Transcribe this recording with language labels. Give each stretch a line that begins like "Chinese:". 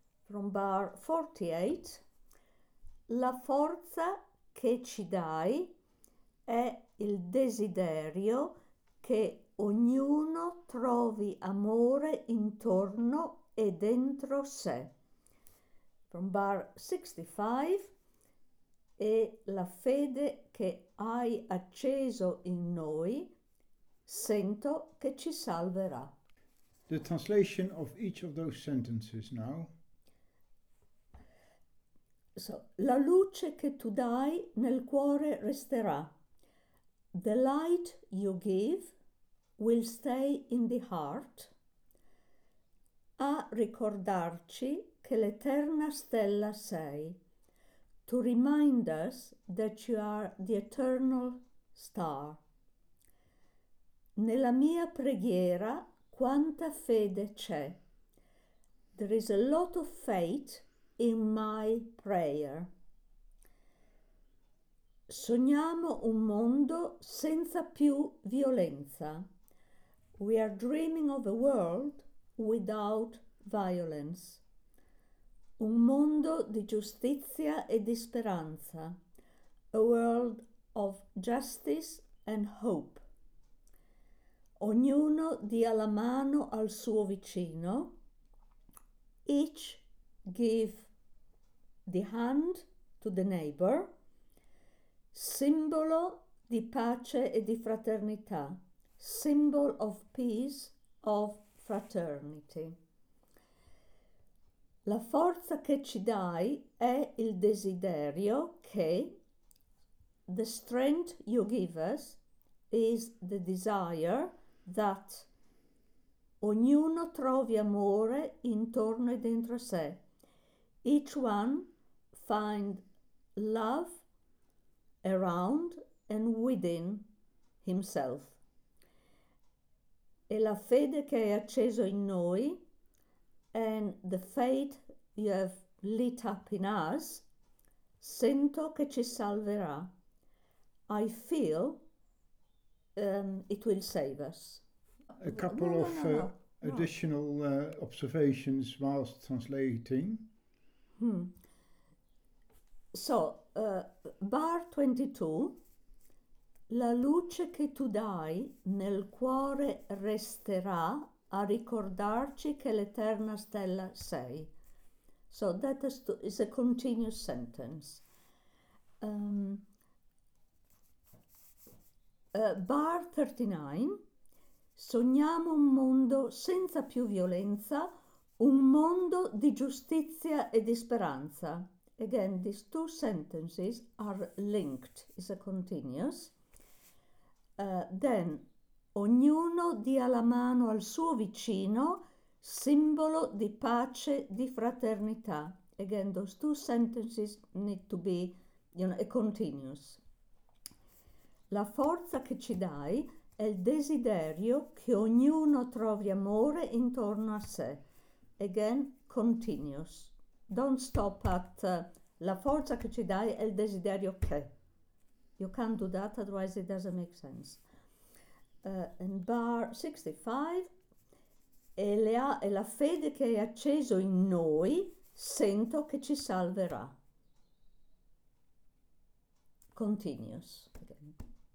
English: From bar 48.
Italian: La forza che ci dai è il desiderio che ognuno trovi amore intorno e dentro sé.
English: From bar 65.
Italian: E la fede che hai acceso in noi sento che ci salverà.
English: The translation of each of those sentences now.
Italian: So, la luce che tu dai nel cuore resterà.
English: The light you give will stay in the heart.
Italian: A ricordarci che l'eterna stella sei.
English: To remind us that you are the eternal star.
Italian: Nella mia preghiera quanta fede c'è.
English: There is a lot of faith in my prayer.
Italian: Sogniamo un mondo senza più violenza.
English: We are dreaming of a world without violence.
Italian: Un mondo di giustizia e di speranza.
English: A world of justice and hope.
Italian: Ognuno dia la mano al suo vicino.
English: Each give the hand to the neighbor.
Italian: Simbolo di pace e di fraternità.
English: Symbol of peace, of fraternity.
Italian: La forza che ci dai è il desiderio che.
English: The strength you give us is the desire that
Italian: ognuno trovi amore intorno e dentro sé.
English: Each one find love around and within himself.
Italian: E la fede che hai acceso in noi,
English: and the faith you have lit up in us,
Italian: sento che ci salverà.
English: I feel it will save us. A couple additional observations whilst translating. So, bar 22.
Italian: La luce che tu dai nel cuore resterà a ricordarci che l'eterna stella sei.
English: So that is a continuous sentence. Bar 39.
Italian: Sogniamo un mondo senza più violenza, un mondo di giustizia e di speranza.
English: Again, these two sentences are linked, is a continuous.
Italian: Then, ognuno dia la mano al suo vicino, simbolo di pace, di fraternità.
English: Again, those two sentences need to be, you know, a continuous.
Italian: La forza che ci dai è il desiderio che ognuno trovi amore intorno a sé.
English: Again, continuous. Don't stop at
Italian: la forza che ci dai è il desiderio che.
English: You can't do that, otherwise it doesn't make sense. And bar 65,
Italian: e la fede che hai acceso in noi sento che ci salverà.
English: Continuous. Okay.